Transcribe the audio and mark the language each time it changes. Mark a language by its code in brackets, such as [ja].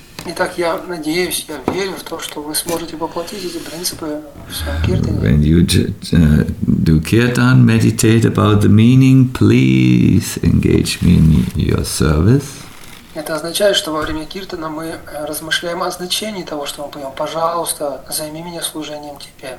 [ru] Итак, я надеюсь, я верю в то, что вы сможете воплотить эти принципы в своем киртане. [en] When you do kirtan, meditate about the meaning, please engage me in your service. [ru] Это означает, что во время киртана мы размышляем о значении того, что мы поем. Пожалуйста, займи меня служением тебе.